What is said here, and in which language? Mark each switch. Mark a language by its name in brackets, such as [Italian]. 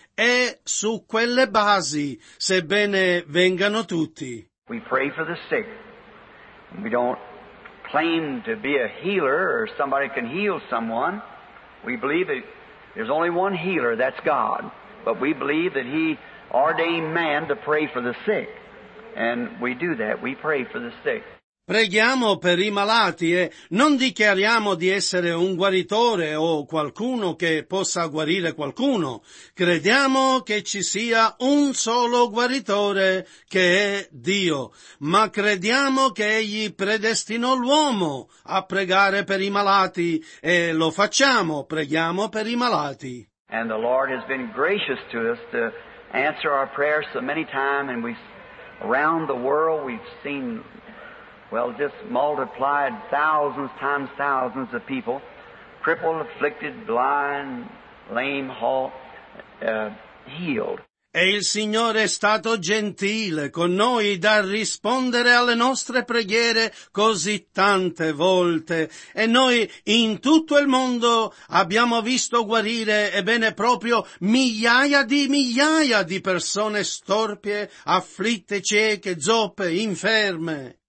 [Italian] È su quelle basi, sebbene vengano tutti. [English] We pray for the sick. We don't claim to be a healer or somebody can heal someone. We believe that there's only one healer, that's God. But we believe that He ordained man to pray for the sick. And we do that, we pray for the sick. [Italian] Preghiamo per i malati e non dichiariamo di essere un guaritore o qualcuno che possa guarire qualcuno. Crediamo che ci sia un solo guaritore, che è Dio, ma crediamo che Egli predestinò l'uomo a pregare per i malati, e lo facciamo, preghiamo per i malati. [English] And the Lord has been gracious to us to answer our prayers so many times, and around the world we've seen, well, just multiplied thousands times thousands of people, crippled, afflicted, blind, lame, halt, healed. [Italian] E il Signore è stato gentile con noi da rispondere alle nostre preghiere così tante volte. E noi in tutto il mondo abbiamo visto guarire, ebbene proprio, migliaia di persone storpie, afflitte, cieche, zoppe, inferme.